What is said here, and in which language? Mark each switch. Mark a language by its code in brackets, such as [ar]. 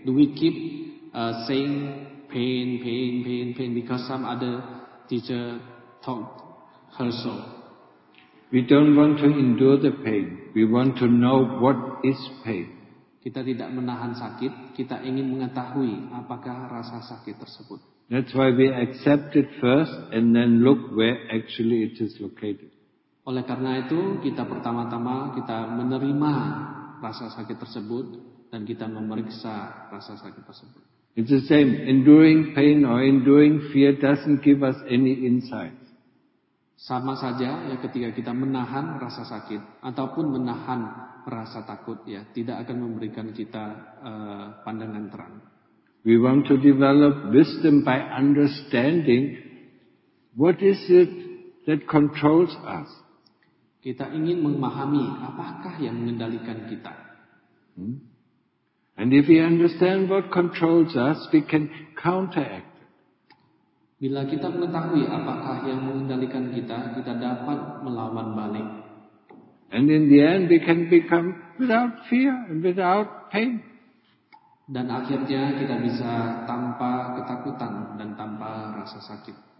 [en] Do we keep saying pain because some other teacher taught her so? We don't want to endure the pain. We want to know what is pain. [id] Kita tidak menahan sakit. Kita ingin mengetahui apakah rasa sakit tersebut. [en] That's why we accept it first and then look where actually it is located. [id] Oleh karena itu, kita pertama-tama kita menerima rasa sakit tersebut dan kita memeriksa rasa sakit tersebut. [en] It's the same. Enduring pain or enduring fear doesn't give us any insights. [id] Sama saja, ya, ketika kita menahan rasa sakit ataupun menahan rasa takut, ya, tidak akan memberikan kita pandangan terang. [en] We want to develop wisdom by understanding what is it that controls us. [id] Kita ingin memahami apakah yang mengendalikan kita. [en] And if we understand what controls us, we can counteract. [id] Bila kita mengetahui apakah yang mengendalikan kita, kita dapat melawan balik. [en] And in the end, we can become without fear and without pain. [id] Dan akhirnya kita bisa tanpa ketakutan dan tanpa rasa sakit.